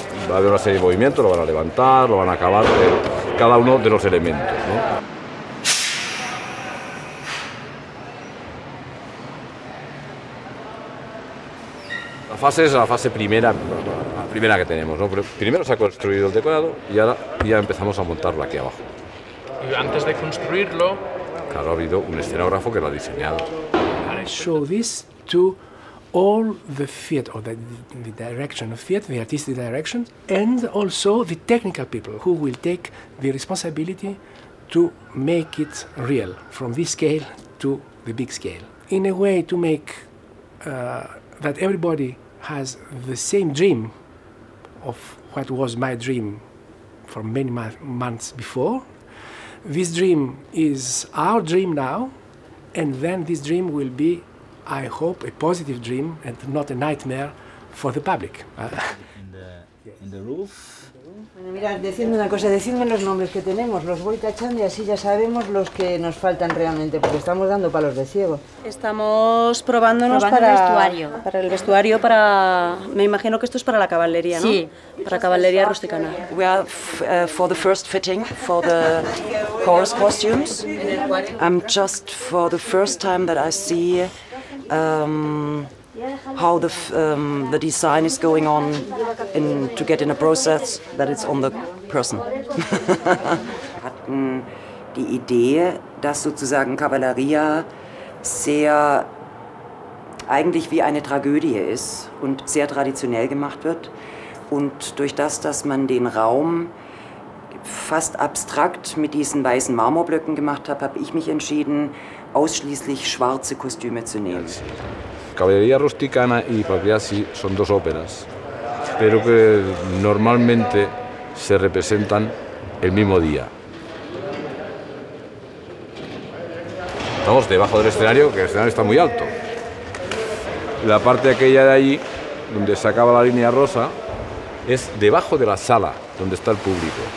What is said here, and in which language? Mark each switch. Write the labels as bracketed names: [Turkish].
[Spanish] Va a haber una serie de movimientos, lo van a levantar, lo van a acabar, cada uno de los elementos, ¿no? La fase es la fase primera, la primera que tenemos, ¿no? Primero se ha construido el decorado y ahora ya empezamos a montarlo aquí abajo. Y antes de construirlo, claro, ha habido un escenógrafo que lo ha diseñado. [English] I show this to all the theater, or the direction of theater, the artistic direction, and also the technical people who will take the responsibility to make it real from this scale to the big scale. In a way, to make that everybody has the same dream of what was my dream for many months before. This dream is our dream now, and then this dream will be, I hope, a positive dream and not a nightmare for the public. In the roof. [Spanish] Bueno, mira, decidme una cosa, decidme los nombres que tenemos, los voy tachando y así ya sabemos los que nos faltan realmente, porque estamos dando palos de ciego. Estamos probándonos para el vestuario. Para el vestuario, para, me imagino que esto es para la caballería, ¿no? Sí. Para caballería rusticana. [English] We are for the first fitting for the chorus costumes. I'm just for the first time that I see how the design is going on in to get in a process that it's on the person. [German] Hatten die Idee, dass sozusagen Cavalleria sehr eigentlich wie eine Tragödie ist und sehr traditionell gemacht wird. Und durch das, dass man den Raum fast abstrakt mit diesen weißen Marmorblöcken gemacht hat, habe ich mich entschieden, ausschließlich schwarze Kostüme zu nehmen. [Spanish] Caballería Rusticana y Papiasi son dos óperas, pero que normalmente se representan el mismo día. Estamos debajo del escenario, que el escenario está muy alto. La parte aquella de allí, donde se acaba la línea rosa, es debajo de la sala donde está el público.